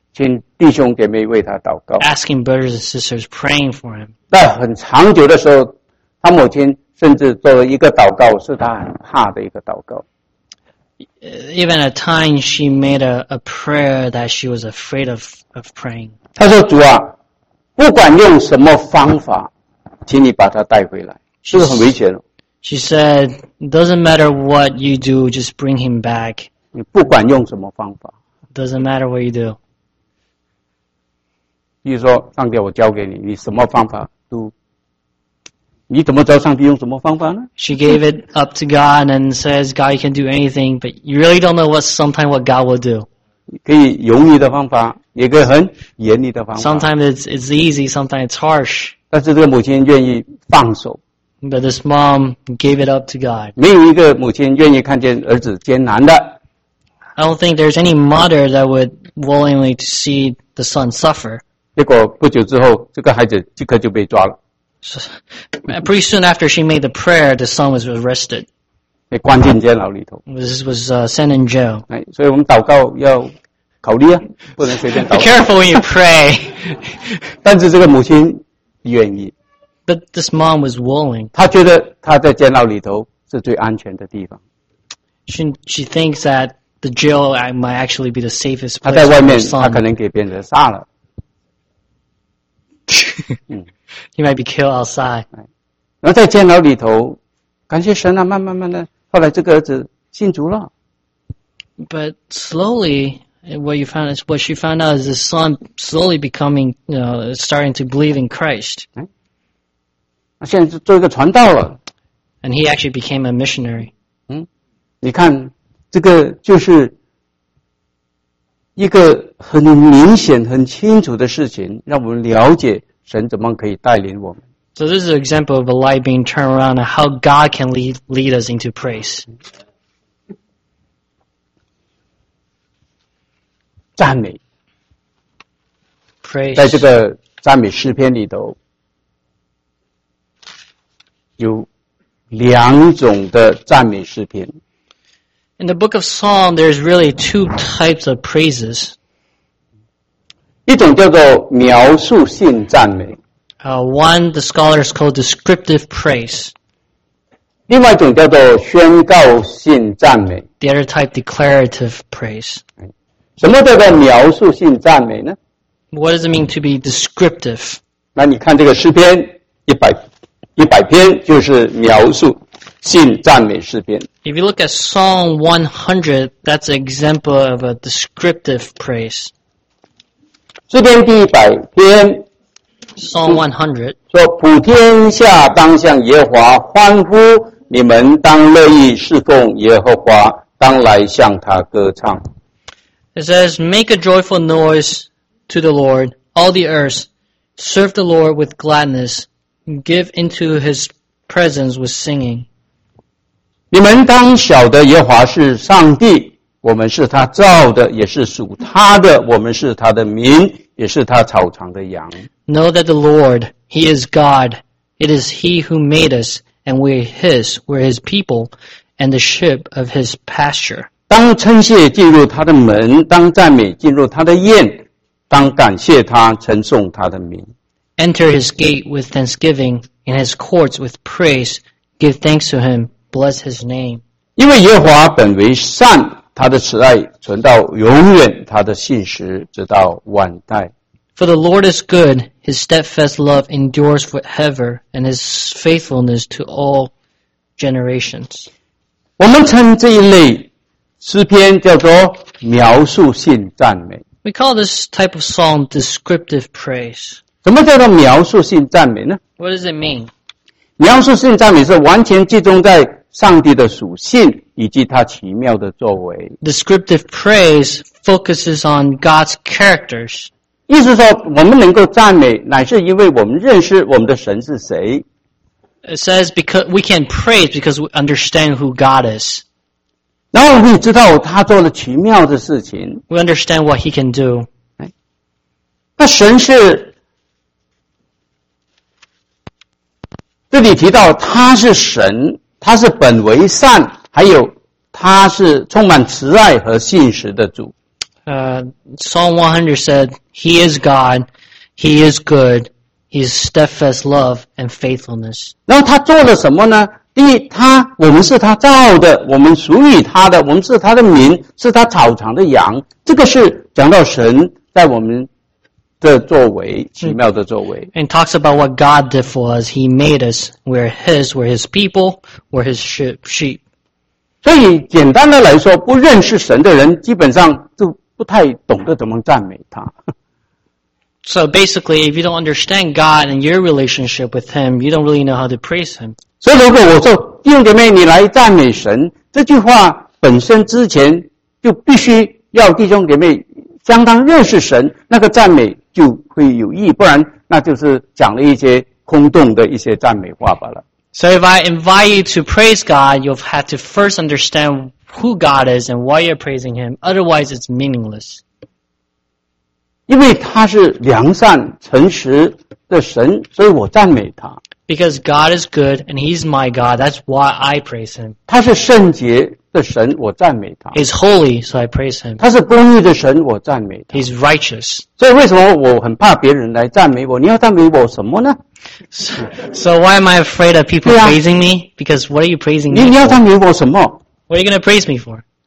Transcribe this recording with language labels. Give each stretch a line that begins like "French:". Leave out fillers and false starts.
Chinese: 请弟兄姐妹为他祷告。
English: Asking brothers and sisters praying for him.
Chinese: 在很长久的时候，他母亲甚至做了一个祷告，是他很怕的一个祷告。
English: Even at times she made a prayer that she was afraid of praying.
Chinese: 他说：“主啊，不管用什么方法，请你把他带回来，是不是很危险？”
English: She said, "Doesn't matter what you do, just bring him back."
Chinese: 你不管用什么方法
English: ，Doesn't matter what you do.
Chinese: 比如说，上帝，我交给你，你什么方法都，你怎么知道上帝用什么方法呢
English: ？She gave it up to God and says, "God, you can do anything, but you really don't know what God will do."
Chinese: 可以容易的方法。一个很严厉的方法。
English: Sometimes it's easy, sometimes it's harsh.
Chinese: 但是这个母亲愿意放手。
English: But this mom gave it up to God.
Chinese: 没有一个母亲愿意看见儿子艰难的。
English: I don't think there's any mother that would willingly to see the son suffer.
Chinese: 结果不久之后，这个孩子立刻就被抓了。
English: So, pretty soon after she made the prayer, the son was arrested.
Chinese: 被关进监牢里头。
English: This was sent in jail.
Chinese: 所以我们祷告要考虑啊，不能随便祷告。
English: Be careful when you pray.
Chinese: 但是这个母亲愿意。
English: But this mom was willing.
Chinese: 她觉得她在监牢里头是最安全的地方。
English: She thinks that the jail might actually be the safest place.
Chinese: 她在外面，她可能给别人杀了。
English: He might be killed outside.
Chinese: 然后在监牢里头，感谢神啊，慢慢的，后来这个儿子信主了。
English: But slowly. What you found is what she found out is the son slowly becoming, starting to believe in Christ.
Chinese: 现在做一个传道了。
English: And he actually became a missionary.
Chinese: 你看，这个就是一个很明显、很清楚的事情，让我们了解神怎么可以带领我们。
English: So this is an example of a light being turned around and how God can lead us into praise.
Chinese: 赞美
English: praise.
Chinese: 在这个赞美诗篇里头有两种的赞美诗篇。
English: In the book of Psalm, there's really two types of praises.
Chinese: 一种叫做描述性赞美。
English: One, the scholars call descriptive praise.
Chinese: 另外一种叫做宣告性赞美。
English: The other type, declarative praise.
Chinese: 什么叫做描述性赞美呢？
English: What does it mean to be descriptive?
Chinese: 那你看这个诗篇100篇就是描述性赞美诗篇。
English: If you look at Psalm 100, that's an example of a descriptive praise.
Chinese: 诗篇第100篇。
English: Psalm 100.
Chinese: 说普天下当向耶和华欢呼，你们当乐意侍奉耶和华，当来向他歌唱。
English: It says, make a joyful noise to the Lord, all the earth. Serve the Lord with gladness. Give into his presence with singing.
Chinese: 你们当晓得耶和华是上帝，我们是他造的，也是属他的，我们是他的民，也是他草场的羊。
English: Know that the Lord, he is God. It is he who made us, and we are his, we're his people, and the sheep of his pasture.
Chinese: 当称谢进入他的门，当赞美进入他的宴，当感谢他，称颂他的名。
English: Enter his gate with thanksgiving, in his courts with praise. Give thanks to him, bless his name.
Chinese: 因为耶和华本为善，他的慈爱存到永远，他的信实直到万代。
English: For the Lord is good, his steadfast love endures forever, and his faithfulness to all generations.
Chinese: 我们称这一类诗篇叫做描述性赞美。
English: We call this type of song descriptive praise.
Chinese: 什么叫做描述性赞美呢？
English: What does it mean?
Chinese: 描述性赞美是完全集中在上帝的属性以及他奇妙的作为。
English: Descriptive praise focuses on God's characters.
Chinese: 意思说我们能够赞美乃是因为我们认识我们的神是谁。
English: It says because we can praise because we understand who God is.
Chinese: 然后你知道他做了奇妙的事情。
English: We understand what he can do.
Chinese: 那神是这里提到他是神，他是本为善，还有他是充满慈爱和信实的主。
English: Psalm 100 said, He is God, He is good, He is steadfast love and faithfulness.
Chinese: 然后他做了什么呢？第一，我们是他造的，我们属于他的，我们是他的民，是他草场的羊。这个是讲到神在我们的作为，奇妙的作为。
English: And talks about what God did for us. He made us. We're His. We're His people. We're His sheep.
Chinese: 所以简单的来说，不认识神的人基本上就不太懂得怎么赞美他。
English: So basically, if you don't understand God and your relationship with Him, you don't really know how to praise Him.
Chinese: 所以如果我说弟兄姐妹你来赞美神，这句话本身之前就必须要弟兄姐妹相当认识神，那个赞美就会有意义，不然那就是讲了一些空洞的一些赞美话罢了。
English: So if I invite you to praise God, you've had to first understand who God is and why you're praising Him. Otherwise, it's meaningless.
Chinese: 因为他是良善、诚实的神，所以我赞美他。
English: Because God is good and He's my God, that's why I praise Him.
Chinese: 他是圣洁的神，我赞美他。
English: He's holy, so I praise Him.
Chinese: 他是公义的神，我赞美他。
English: He's righteous.
Chinese: 所以为什么我很怕别人来赞美我？你要赞美我什么呢？
English: So why am I afraid of people praising me? Because what are you praising me for?
Chinese: 你要赞美我什么？
English: What are you going to praise me for?